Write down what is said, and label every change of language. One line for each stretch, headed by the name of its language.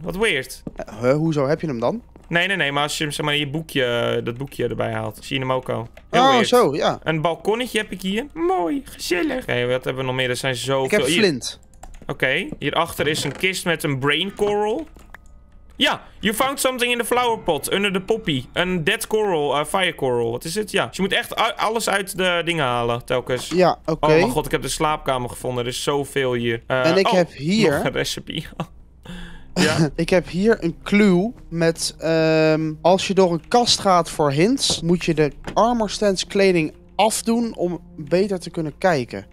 Dutch: Wat weird. Hoezo? Heb je hem dan? Nee. Maar als je hem zeg maar in je boekje, dat boekje erbij haalt. Zie je hem ook al. Zo, ja. Een balkonnetje heb ik hier. Mooi, gezellig. Oké, wat hebben we nog meer? Er zijn zoveel. Ik heb flint. Oké, hierachter is een kist met een brain coral.
English: Ja, you found something in the flower pot, under the poppy.
Dutch: Een dead coral, fire coral. Wat is het? Ja. Dus je moet echt alles uit de dingen halen, telkens. Ja, oké. Okay. Oh mijn god, ik heb de slaapkamer gevonden. Er is zoveel hier. En ik heb hier... nog een recipe. Ja. Ik heb hier een clue met... als je door een kast gaat voor hints, moet je de armor stands kleding afdoen om beter te kunnen kijken.